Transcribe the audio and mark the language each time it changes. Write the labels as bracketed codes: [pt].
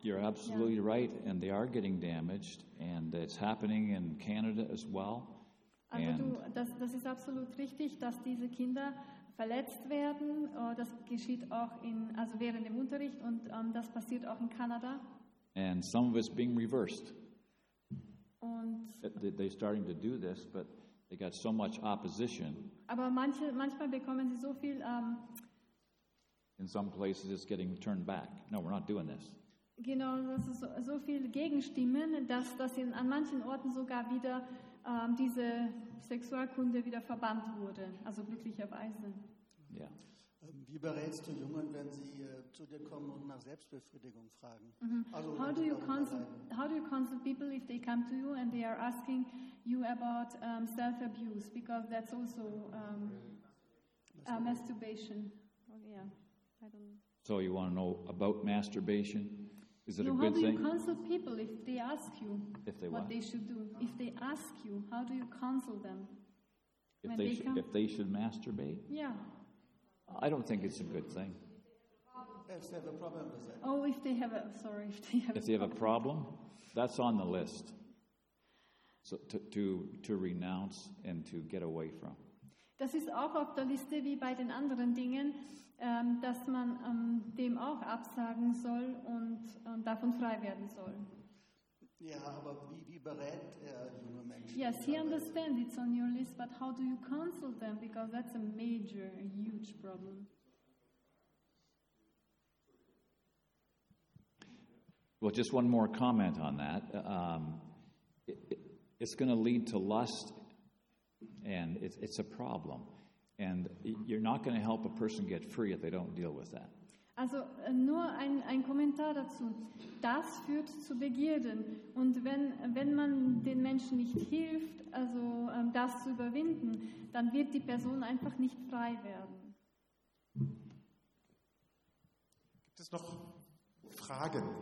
[en] You're absolutely right, and they are getting damaged, and it's happening in Canada as well. [de] Also das ist absolut richtig, dass diese Kinder verletzt werden. Das geschieht auch während dem Unterricht, und das passiert auch in Kanada. [en] And some of it's being reversed. They're starting to do this, but they got so much opposition. [de] Aber manchmal bekommen sie so viel. [en] In some places, it's getting turned back. No, we're not doing this. [de] Genau, das ist so viel Gegenstimmen, dass an manchen Orten sogar wieder diese Sexualkunde wieder verbannt wurde. Also glücklicherweise. Ja. [en] Yeah. [de] Wie berätst du Jungen, wenn sie zu dir kommen und nach Selbstbefriedigung fragen? Mm-hmm. [en] Also, how do you counsel people if they come to you and they are asking you about self-abuse, because that's also masturbation? Yeah, I don't. So you want to know about masturbation? Is it no, a good thing? How do you counsel people if they ask you they what want. They should do? If they ask you, how do you counsel them? If they should masturbate? Yeah. I don't think it's a good thing. If they have a problem with it. Oh, if they have a sorry, if they have. If they have a problem, that's on the list. So to renounce and to get away from. [de] Das ist auch auf der Liste wie bei den anderen Dingen, dass man dem auch absagen soll und davon frei werden soll. Ja, aber wie berät er junge Menschen? [en] Yes, he understands it's on your list, but how do you counsel them? Because that's a major, a huge problem. Well, just one more comment on that. It's going to lead to lust, and it's a problem. And you're not going to help a person get free if they don't deal with that. [de] Also nur ein Kommentar dazu. Das führt zu Begierden. Und wenn man den Menschen nicht hilft, also das zu überwinden, dann wird die Person einfach nicht frei werden. Gibt es noch Fragen?